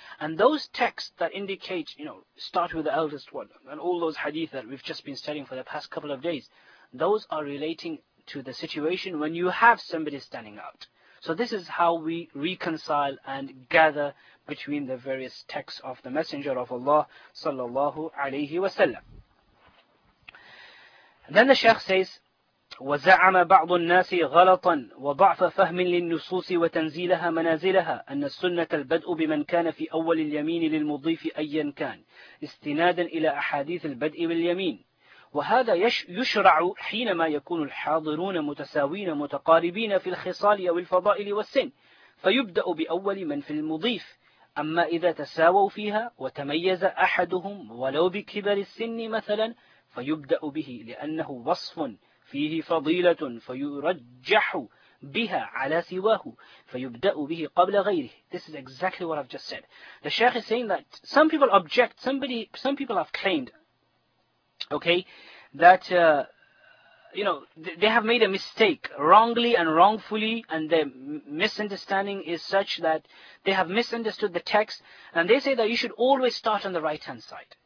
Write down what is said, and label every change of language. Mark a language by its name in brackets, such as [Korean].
[English] And those texts that indicate, you know, start with the eldest one, and all those hadith that we've just been studying for the past couple of days, those are relating to the situation when you have somebody standing out. So this is how we reconcile and gather between the various texts of the Messenger of Allah, sallallahu alayhi wa sallam. Then the Shaykh says, [Arabic] وزعم بعض الناس غلطا وضعف فهم للنصوص وتنزيلها منازلها أن السنة البدء بمن كان في أول اليمين للمضيف أيا كان استنادا إلى أحاديث البدء باليمين وهذا يشرع حينما يكون الحاضرون متساوين متقاربين في الخصال أو الفضائل والسن فيبدأ بأول من في المضيف أما إذا تساووا فيها وتميز أحدهم ولو بكبر السن مثلا فيبدأ به لأنه وصف فيه فضيلة فيرجح بها على سواه فيبدأ به قبل غيره. [English] This is exactly what I've just said. The Shaykh is saying that some people object, some people have claimed, okay, that you know, they have made a mistake wrongly and wrongfully, and their misunderstanding is such that they have misunderstood the text, and they say that you should always start on the right hand side.